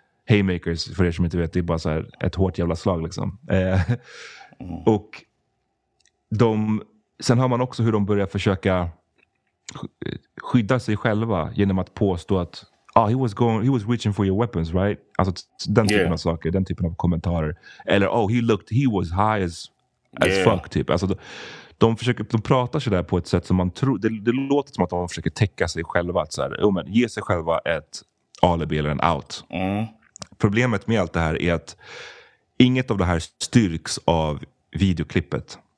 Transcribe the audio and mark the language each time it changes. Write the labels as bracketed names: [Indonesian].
[Swedish] Haymakers, för er som inte vet, det är bara så här ett hårt jävla slag liksom. Och de, sen hör man också hur de börjar försöka skydda sig själva genom att påstå att [English] he was reaching for your weapons, right? [Swedish] Alltså den typen av saker, den typen av kommentarer. Eller [English] he was high as fuck [Swedish] typ. Alltså de pratar så där på ett sätt som man tror, det låter som att de försöker täcka sig själva, att så här, men ge sig själva ett alibi eller en out. Mm. Problemet med allt det här är att inget av det här styrks av videoklippet.